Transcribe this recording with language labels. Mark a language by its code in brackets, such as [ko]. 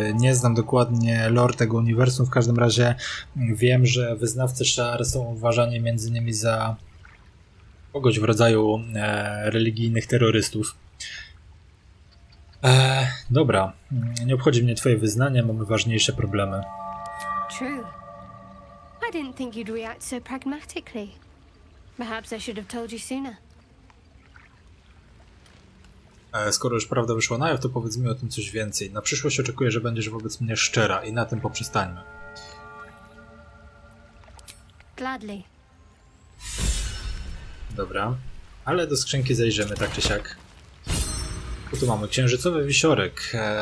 [pl] Nie znam dokładnie lore tego uniwersum, w każdym razie wiem, że wyznawcy Shar są uważani między innymi za kogoś w rodzaju religijnych terrorystów. Dobra, nie obchodzi mnie twoje wyznanie, mamy ważniejsze problemy. [en] True. I didn't think you'd react so pragmatically. Perhaps I should have told you sooner. [pl] Skoro już prawda wyszła na jaw, to powiedz mi o tym coś więcej. Na przyszłość oczekuję, że będziesz wobec mnie szczera i na tym poprzestańmy. [en] Gladly. [pl] Dobra, ale do skrzynki zajrzymy tak czy siak. Tu mamy księżycowy wisiorek.